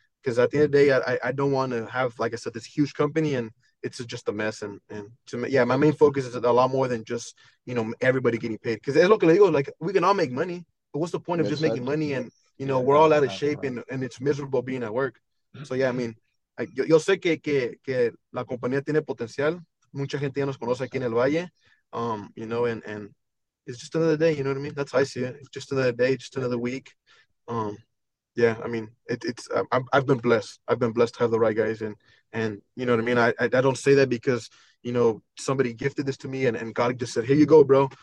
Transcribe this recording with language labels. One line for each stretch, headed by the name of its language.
English: Because at the end of the day, I don't want to have, like I said, this huge company, and it's just a mess. And to me, yeah, my main focus is a lot more than just, you know, everybody getting paid. Because look, like, we can all make money, but what's the point of just making money? And, you know, we're all out of shape, and it's miserable being at work. So, yeah, I mean,
Spanish: yo sé que la compañía tiene potencial. Mucha gente ya nos conoce aquí en el Valle.
English: You know, and it's just another day, you know what I mean? That's how I see it. It's just another day, just another week. Yeah, I mean, it's, I've been blessed. I've been blessed to have the right guys. And you know what I mean? I don't say that because, you know, somebody gifted this to me and God just said, here you go, bro.